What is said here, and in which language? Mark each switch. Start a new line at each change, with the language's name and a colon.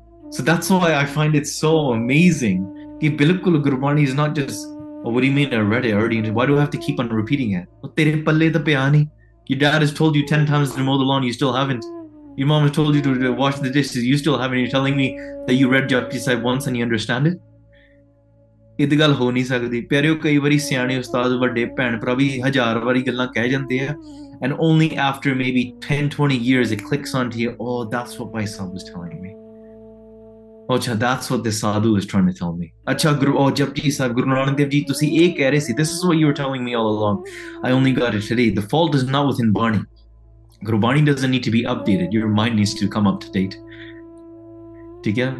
English: So that's why I find it so amazing. The Bilkul Gurbani is not just. Oh, what do you mean? I read it already. Why do I have to keep on repeating it? Your dad has told you 10 times to mow the lawn, you still haven't. Your mom has told you to wash the dishes, you still haven't. You're telling me that you read Japji Sahib once and you understand it?
Punjabi: ਇਹ ਗੱਲ ਹੋ ਨਹੀਂ ਸਕਦੀ ਪਿਆਰਿਓ। ਕਈ ਵਾਰੀ ਸਿਆਣੇ ਉਸਤਾਦ ਵੱਡੇ ਭੈਣ ਭਰਾ ਵੀ ਹਜ਼ਾਰ ਵਾਰੀ ਗੱਲਾਂ ਕਹਿ ਜਾਂਦੇ ਆ,
English: And only after may be 10-20 years it clicks on to you, oh that's what my son was telling me. Oh, that's what the sadhu is trying to tell me. Achha, Guru, oh, Japji Sahib, Guru Nanak Dev Ji,
Punjabi: tusi ek keh rahe si,
English: this is what you were telling me all along. I only got it today. The fault is not within Bani. Guru Bani doesn't need to be updated. Your mind needs to come up to date.
Hindi: Theek hai?